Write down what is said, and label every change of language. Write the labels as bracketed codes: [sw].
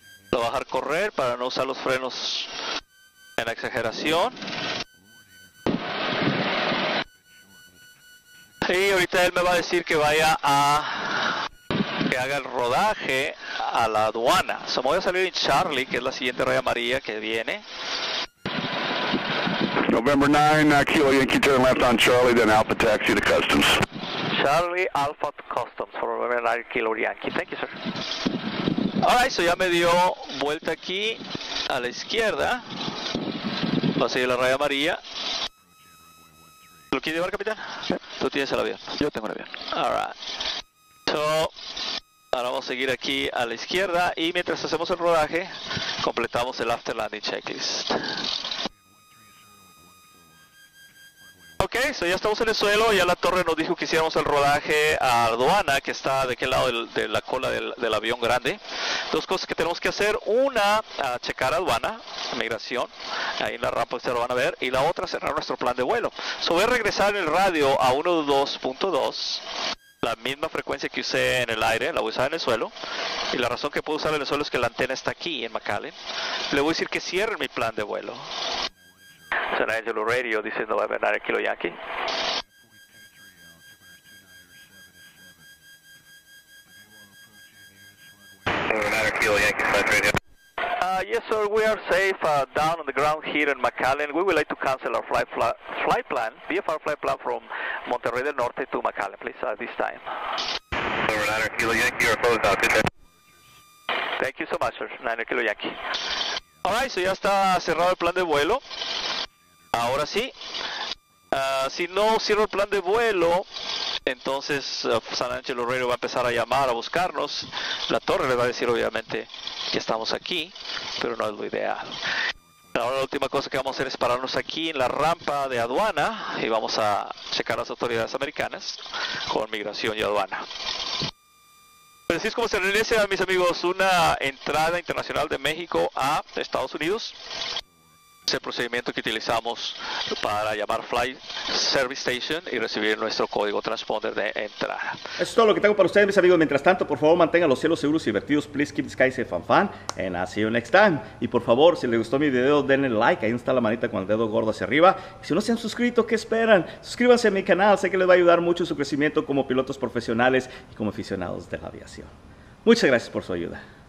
[es] Lo voy a dejar correr para no usar los frenos en la exageración. Y ahorita él me va a decir que vaya a que haga el rodaje a la aduana. So, me voy a salir en Charlie, que es la siguiente raya amarilla que viene. [en] November 9, Kilo Yankee, turn left on Charlie, then Alpha taxi to customs. Charlie Alpha Customs for November 9 Kilo Yankee. Thank you, sir. [es] Alright, so ya me dio vuelta aquí a la izquierda. Va a seguir la raya amarilla. ¿Lo quiere llevar, capitán? Sí. Tú tienes el avión. Yo tengo el avión. [en] Alright. [es] So, ahora vamos a seguir aquí a la izquierda y mientras hacemos el rodaje, completamos el after landing checklist. Ok, so ya estamos en el suelo, ya la torre nos dijo que hiciéramos el rodaje a aduana, que está de aquel lado de la cola del avión grande. Dos cosas que tenemos que hacer, una, a checar aduana, migración, ahí en la rampa ustedes lo van a ver, y la otra, cerrar nuestro plan de vuelo. So voy a regresar el radio a 1.2.2, la misma frecuencia que usé en el aire, la voy a usar en el suelo, y la razón que puedo usar en el suelo es que la antena está aquí, en McAllen. Le voy a decir que cierre mi plan de vuelo. [en] San Angelo Radio, this is November 9 Kilo Yankee. November 9 Kilo Yankee, 5 Radio. Yes, sir, we are safe down on the ground here in McAllen. We would like to cancel our flight plan, VFR flight plan from Monterrey del Norte to McAllen, please, at this time. Over 9 Kilo Yankee, you are closed out. Good day. Thank you so much, sir. 9 Kilo Yankee. [es] All right, so ya está cerrado el plan de vuelo. Ahora sí. Si no cierro el plan de vuelo, entonces San Angelo Radio va a empezar a llamar, a buscarnos. La torre le va a decir, obviamente, que estamos aquí, pero no es lo ideal. Ahora la última cosa que vamos a hacer es pararnos aquí en la rampa de aduana y vamos a checar las autoridades americanas con migración y aduana. Pero así es como se realiza, mis amigos, una entrada internacional de México a Estados Unidos. Es el procedimiento que utilizamos para llamar Flight Service Station y recibir nuestro código transponder de entrada. Eso es todo lo que tengo para ustedes, mis amigos. Mientras tanto, por favor, mantengan los cielos seguros y divertidos. [en] Please keep the sky safe and fun. And I'll see you next time. [es] Y por favor, si les gustó mi video, denle like. Ahí está la manita con el dedo gordo hacia arriba. Y si no se han suscrito, ¿qué esperan? Suscríbanse a mi canal. Sé que les va a ayudar mucho en su crecimiento como pilotos profesionales y como aficionados de la aviación. Muchas gracias por su ayuda.